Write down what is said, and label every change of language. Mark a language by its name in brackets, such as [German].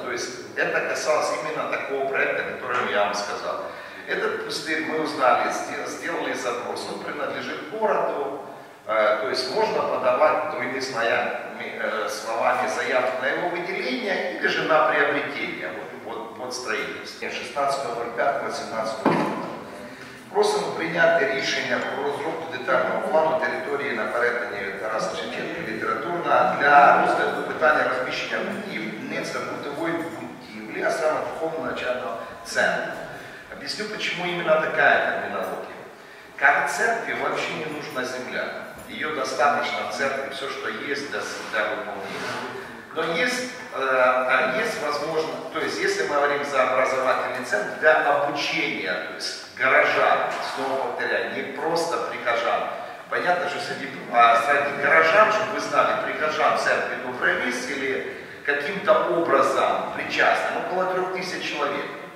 [Russian] То есть это касалось именно такого проекта, который я вам сказал. Этот пустырь мы узнали, сделали запрос. Он принадлежит городу. То есть можно подавать, другими словами, заявку на его выделение или же на приобретение, вот строительство. 16.05.18 года. Просим принять решение по разработке детального плана территории [Ukrainian] на перетині Тараса Шевченка літературна для розгляду питання розміщення бутової будівлі, а саме духовного навчального центру. Об'ясню, чому іменно така термінологія. [Russian] Как церкві взагалі не нужна земля. Ее достаточно в церкви, все, что есть, для выполнения. Но есть возможность, то есть если мы говорим за образовательный центр, для обучения, то есть горожан, снова повторяю, не просто прихожан. Понятно, что среди горожан, чтобы вы знали, прихожан церкви Доброй Вести или каким-то образом причастным, около 3000 человек.